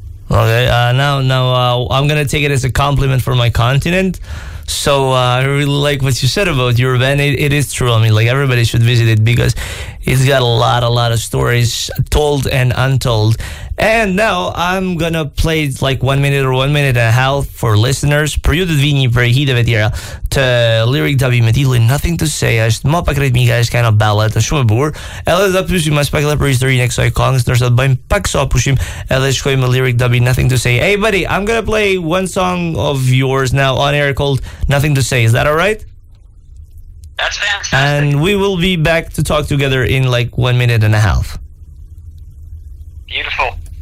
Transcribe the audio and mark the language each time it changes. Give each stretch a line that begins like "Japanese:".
English: Okay, now I'm going to take it as a compliment for my continent. So I really like what you said about Europe, and it is true. I mean, like, everybody should visit it because it's got a lot of stories told and untold. And now I'm gonna play like 1 minute or 1 minute and a half for listeners.
Albanian: Për ju të vini për hitëve tjera të lyric tabi me titullin Nothing to Say, është më pak ritmika, është
English: kind of ballad,
Albanian: është shumë e bukur. Edhe ta pyesim as pak edhe për historinë e kësaj këngës, ndërsa të bëjmë pak sa pushim edhe shkojmë me lyric tabi Nothing to Say.
English: Hey buddy, I'm gonna play one song of yours now on air called Nothing to Say. Is that all right? That's fantastic. And we will be back to talk together in like 1 minute and a half. Beautiful.